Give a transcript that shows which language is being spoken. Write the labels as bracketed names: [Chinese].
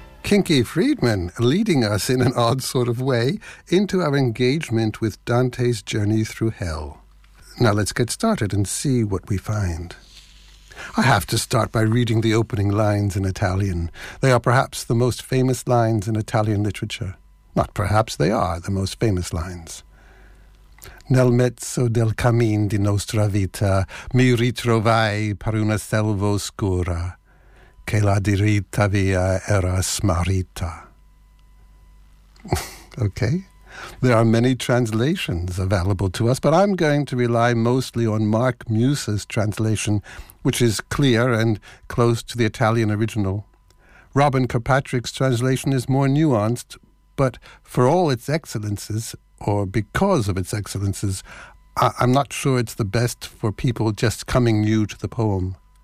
[English] Kinky Friedman, leading us in an odd sort of way into our engagement with Dante's journey through hell. Now let's get started and see what we find. I have to start by reading the opening lines in Italian. They are perhaps the most famous lines in Italian literature. Not perhaps, they are the most famous lines. [Italian] Nel mezzo del cammin di nostra vita mi ritrovai per una selva oscura che la diritta via era smarrita. [English] Okay. There are many translations available to us, but I'm going to rely mostly on Mark Muse's translation, which is clear and close to the Italian original. Robin Kirkpatrick's translation is more nuanced, but for all its excellences, or because of its excellences, I'm not sure it's the best for people just coming new to the poem.